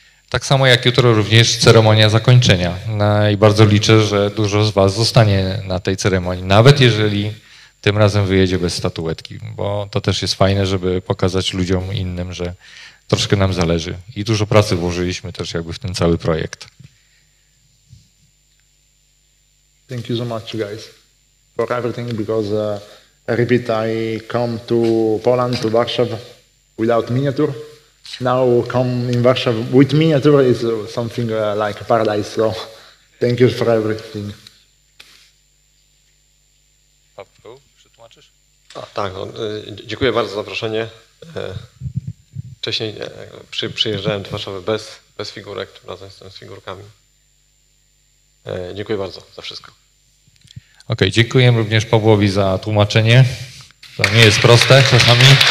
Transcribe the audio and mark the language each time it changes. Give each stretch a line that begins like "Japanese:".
Polish: Tak samo jak jutro również ceremonia zakończenia. No i bardzo liczę, że dużo z was zostanie na tej ceremonii, nawet jeżeli tym razem wyjedzie bez statuetki, bo to też jest fajne, żeby pokazać ludziom innym, że troszkę nam zależy. I dużo pracy włożyliśmy też jakby w ten cały projekt.
English: Thank you so much, guys, for everything, because I repeat, I come to Poland, to Warsaw without miniature. Now come in Warsaw with me, it's something like a paradise, so thank you for everything.
Polish: Paweł, przetłumaczysz? A, tak, no, dziękuję bardzo za zaproszenie. Wcześniej przyjeżdżałem do Warszawy bez figurek, tym razem jestem z figurkami. Dziękuję bardzo za wszystko. Okej, dziękuję również Pawłowi za tłumaczenie. To nie jest proste czasami.